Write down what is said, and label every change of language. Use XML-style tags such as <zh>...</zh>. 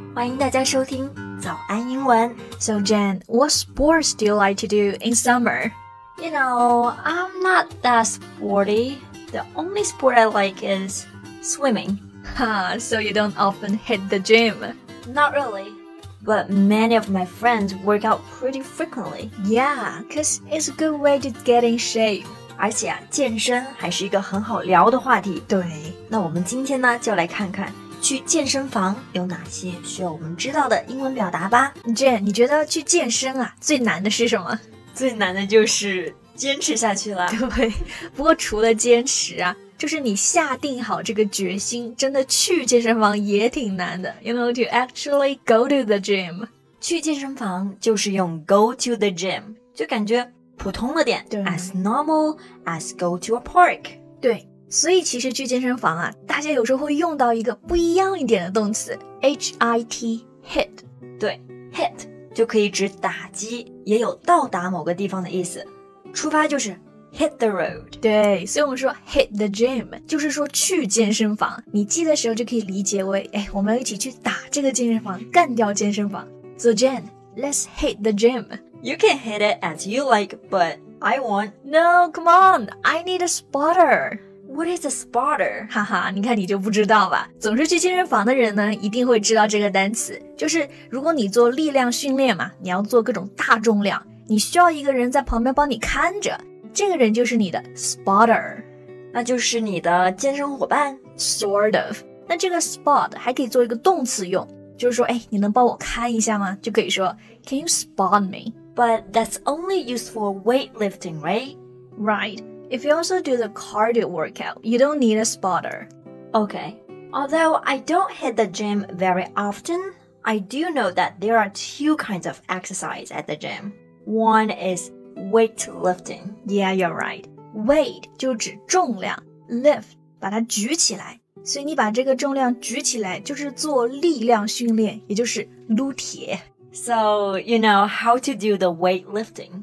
<zh>欢迎大家收听早安英文。</zh> <en>So Jen, what sports do you like to do in summer? You know, I'm not that sporty. The only sport I like is swimming. So you don't often hit the gym? Not really. But many of my friends work out pretty frequently. Yeah, because it's a good way to get in shape.</en> <zh>而且啊，健身还是一个很好聊的话题。对，那我们今天呢，就来看看去健身房有哪些需要我们知道的英文表达吧。 Jane， 你觉得去健身啊，最难的是什么？最难的就是坚持下去了。对，不过除了坚持啊，就是你下定好这个决心，真的去健身房也挺难的。</zh> <en>You know, to actually go to the gym.</en> <zh>去健身房就是用</zh> <en>go to the gym，</en> <zh>就感觉普通了点。对，</zh> <en>as normal as go to a park.</en> <zh>对，所以其实去健身房啊，大家有时候会用到一个不一样一点的动词 HIT, hit. 对， hit 就可以指打击，也有到达某个地方的意思。出发就是</zh> <en>hit the road.</en> <zh>对，所以我们说</zh> <en>hit the gym</en> <zh>就是说去健身房，你记的时候就可以理解为，哎，我们一起去打这个健身房，干掉健身房。</zh> <en>So Jen, let's hit the gym. You can hit it as you like, but I want... No, come on, I need a spotter. What is a spotter?</en> <zh>哈哈，你看你就不知道吧。总是去健身房的人呢，一定会知道这个单词。就是如果你做力量训练嘛，你要做各种大重量，你需要一个人在旁边帮你看着，这个人就是你的 spotter。那就是你的健身伙伴？</zh> <en>Sort of.</en> <zh>那这个 spot 还可以做一个动词用，就是说，哎，你能帮我看一下吗？就可以说</zh> <en>Can you spot me? But that's only used for weightlifting, right? Right. If you also do the cardio workout, you don't need a spotter. Okay. Although I don't hit the gym very often, I do know that there are two kinds of exercise at the gym. One is weightlifting. Yeah, you're right. Weight</en> <zh>就指重量。</zh> <en>Lift,</en> <zh>把它举起来。所以你把这个重量举起来就是做力量训练，也就是撸铁。</zh> <en>So, you know how to do the weightlifting.</en>